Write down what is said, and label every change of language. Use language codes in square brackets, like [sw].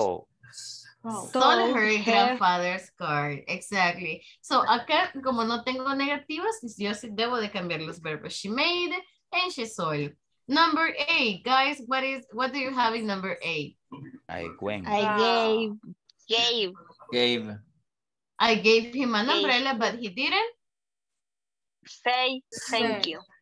[en] made a big mistake when she stole her grandfather's car. Exactly. [es] So acá, como no tengo negativas, yo sí debo de cambiar los verbos. [en] She made and she stole. Number eight, guys, what do you have in number eight? I went. I gave him an umbrella, but he didn't? Say thank you.